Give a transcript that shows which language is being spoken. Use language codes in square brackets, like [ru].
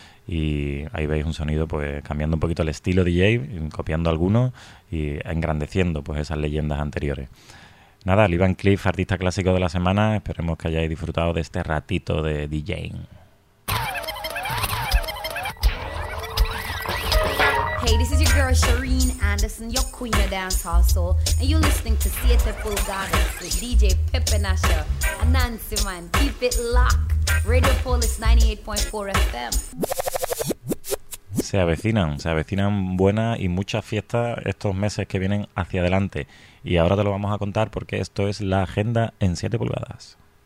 [es] Y ahí veis un sonido pues cambiando un poquito el estilo DJ, copiando algunos y engrandeciendo pues esas leyendas anteriores. Nada, Lee Van Cleef, artista clásico de la semana. Esperemos que hayáis disfrutado de este ratito de DJing. [en] Hey, this is your girl Shireen Anderson, your queen of dancehall soul, and you're listening to Siete Pulgadas with DJ Pippin Asher and Nancy Man. Keep it locked. Radio Polis 98.4 FM. [es] Se avecinan buenas y muchas fiestas estos meses que vienen hacia adelante. Y ahora te lo vamos a contar porque esto es la agenda en 7 pulgadas.